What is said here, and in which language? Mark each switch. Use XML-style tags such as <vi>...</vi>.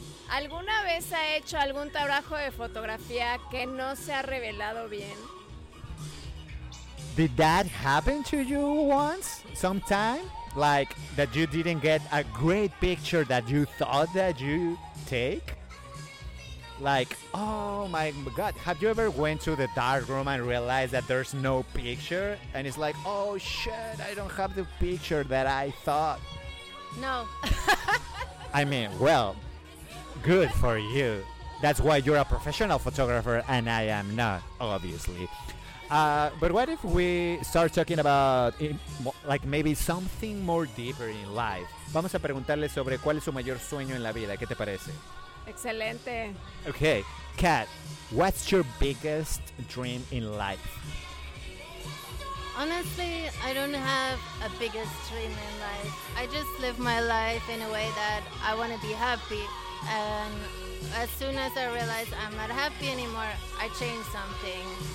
<es>¿Alguna vez ha hecho algún trabajo de fotografía que no se ha revelado bien?</es> <en>Did that happen to you once? Sometime? Like, that you didn't get a great picture that you thought that you take? Like, oh my god, have you ever went to the dark room and realized that there's no picture? And it's like, oh shit, I don't have the picture that I thought. No. I mean, well, Good for you. That's why you're a professional photographer and I am not, obviously. But what if we start talking about, like, maybe something more deeper in life?</en> <es>Vamos a preguntarle sobre cuál es su mayor sueño en la vida. ¿Qué te parece? Excelente.</es> <en>Okay, Kat, what's your biggest dream in life? Honestly, I don't have a biggest dream in life. I just live my life in a way that I want to be happy. And as soon as I realize I'm not happy anymore, I change something.</en>